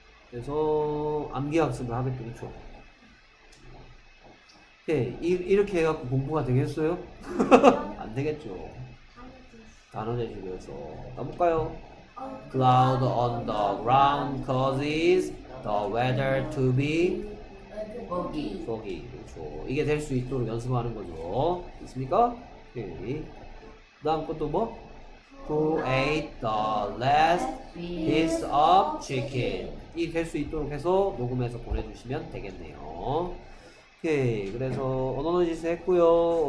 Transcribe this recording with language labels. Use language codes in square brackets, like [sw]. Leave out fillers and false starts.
[ko] 그래서 암기 학습을 하겠죠. 그쵸? 오케이. 이렇게 해갖고 공부가 되겠어요? 안 되겠죠. 단어 제시해서 가볼까요? [en] Cloud on the ground causes the weather to be foggy. [ko] Foggy. 그렇죠. 이게 될 수 있도록 연습하는 거죠. 있습니까? 오케이. 다음 것도 뭐? [en] Who ate the last piece of chicken? [ko] 이게 될 수 있도록 해서 녹음해서 보내주시면 되겠네요. 오케이. 그래서 언어너지스 했고요.